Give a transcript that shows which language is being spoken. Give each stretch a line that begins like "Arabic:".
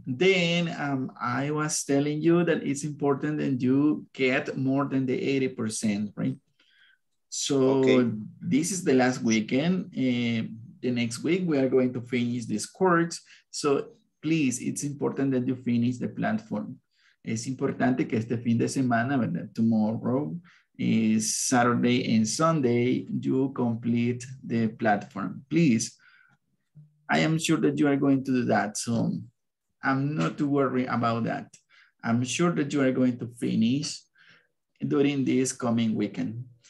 English: Then I was telling you that it's important that you get more than the 80%, right? So This is the last weekend. The next week we are going to finish this course. So please, it's important that you finish the platform.
Spanish: Es importante que este fin de semana, ¿verdad?
English: Tomorrow is Saturday and Sunday, you complete the platform, please. I am sure that you are going to do that. So I'm not too worried about that. I'm sure that you are going to finish during this coming weekend.